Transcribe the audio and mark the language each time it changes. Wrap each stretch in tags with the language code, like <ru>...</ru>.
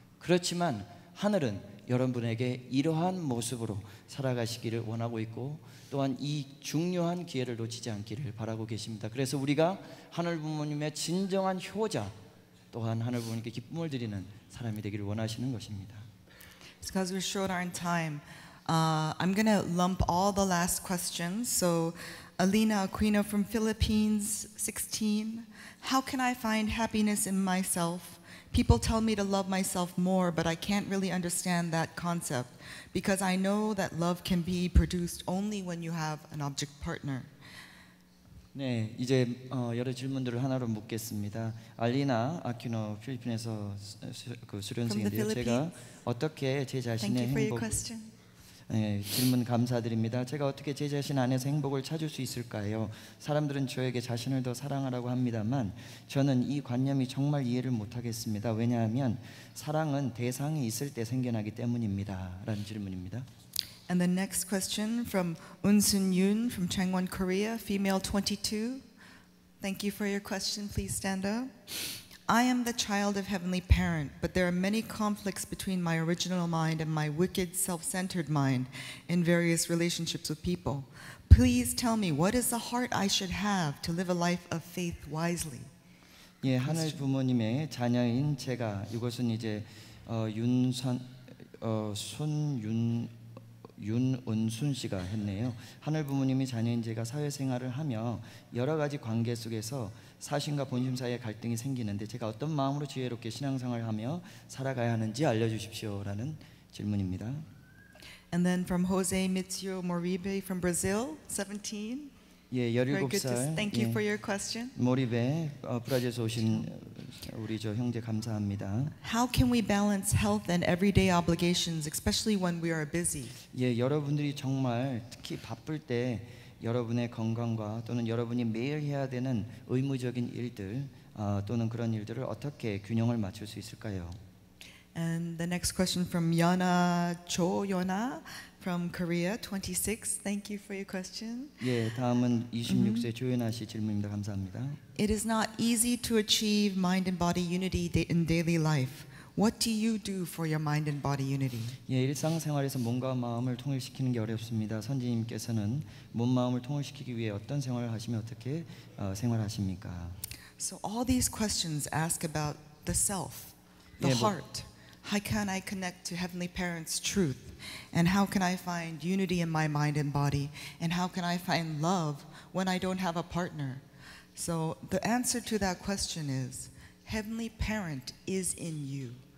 <ko>그렇지만 하늘은 여러분에게 이러한 모습으로 살아가시기를 원하고 있고 또한 이 중요한 기회를 놓치지 않기를 바라고 계십니다. 그래서 우리가 하늘 부모님의 진정한 효자 또한 하늘 부모님께 기쁨을 드리는 사람이 되기를 원하시는 것입니다.</ko> <en>Because we're short on time, I'm going to lump all the last questions. So Alina Aquino from Philippines, 16. How can I find happiness in myself? People tell me to love myself more, but I can't really understand that concept because I know that love can be produced only when you have an object partner.</en> <ko>네, 이제 여러 질문들을 하나로 묻겠습니다. 알리나 아퀴노 필리핀에서 그 수련생인데요. 제가 어떻게 제 자신의 행복 질문 감사드립니다. 제가 어떻게 제 자신 안에서 행복을 찾을 수 있을까요? 사람들은 저에게 자신을 더 사랑하라고 합니다만 저는 이 관념이 정말 이해를 못하겠습니다. 왜냐하면 사랑은 대상이 있을 때 생겨나기 때문입니다. 라는 질문입니다.</ko> <en>And the next question from Eunsun Yoon from Changwon, Korea, female 22. Thank you for your question. Please stand up. I am the child of heavenly parent, but there are many conflicts between my original mind and my wicked, self-centered mind in various relationships with people. Please tell me, what is the heart I should have to live a life of faith wisely?</en> <ko>예, 하늘 부모님의 자녀인 제가 이것은 이제 윤선 손윤 윤은순 씨가 했네요. 하늘 부모님이 자녀인 제가 사회생활을 하며 여러 가지 관계 속에서 사심과 본심 사이에 갈등이 생기는데 제가 어떤 마음으로 지혜롭게 신앙생활을 하며 살아가야 하는지 알려주십시오라는 질문입니다.</ko> <en>And then from Jose Mitsuo Moribe from Brazil, 17.</en> <ko>예, 17살.</ko> <en>Thank you for your question.</en> <ko>모리베, 브라질에서 오신 우리 저 형제 감사합니다.</ko> <en>How can we balance health and everyday obligations, especially when we are busy?</en> <ko>예, 여러분들이 정말 특히 바쁠 때 여러분의 건강과 또는 여러분이 매일 해야 되는 의무적인 일들 또는 그런 일들을 어떻게 균형을 맞출 수 있을까요?</ko> <en>And the next question from Yona Cho Yona from Korea, 26. Thank you for your question.</en> <ko>예, 다음은 26세 조연아 씨 질문입니다. 감사합니다.</ko> <en>It is not easy to achieve mind and body unity in daily life. What do you do for your mind and body unity?</en> <ko>예, 일상생활에서 몸과 마음을 통일시키는 게 어렵습니다. 선지님께서는 몸 마음을 통일시키기 위해 어떤 생활을 하시면 어떻게 생활하십니까?</ko> <en>So all these questions ask about the self, the</en> <ko>예, 뭐,</ko> <en>heart. How can I connect to heavenly parents' truth? And how can I find unity in my mind and body? And how can I find love when I don't have a partner? So the answer to that question is, heavenly parent is in you.</en>